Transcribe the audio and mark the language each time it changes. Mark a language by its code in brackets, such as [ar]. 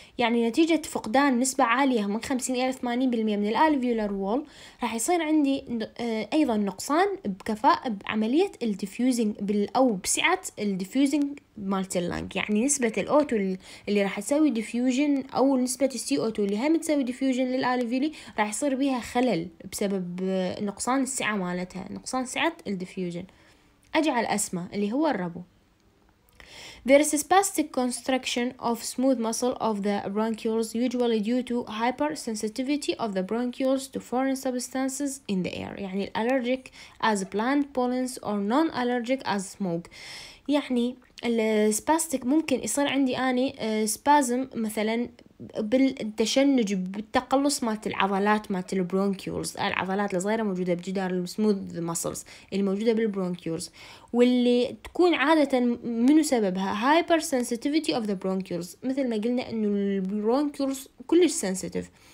[ar] يعني نتيجة فقدان نسبة عالية من 50 إلى 80% من الالفيولار وول راح يصير عندي أيضا نقصان بكفاءة بعملية الديفيوزنج أو بسعة الديفيوزنج مالت اللانج يعني نسبة الأوتو اللي راح تسوي ديفيوجن أو نسبة السي أوتو اللي هم تسوي ديفيوجن للالفيولي راح يصير بيها خلل بسبب نقصان السعة مالتها نقصان سعة الديفيوجن أجعل أسمى اللي هو الربو. [en] There is a spastic constriction of smooth muscle of the bronchioles usually due to hypersensitivity of the bronchioles to foreign substances in the air. يعني allergic as plant pollens or non-allergic as smoke. [ar] يعني الspastic ممكن يصير عندي أني spasm مثلاً بالتشنج بالتقلص مالت العضلات مالت البرونكيولز العضلات الصغيره موجوده بجدار السموث ماسلز اللي موجوده بالبرونكيولز واللي تكون عاده من سببها هايبر سنسيتيفيتي اوف ذا برونكيولز مثل ما قلنا انه البرونكيولز كلش سنسيتيف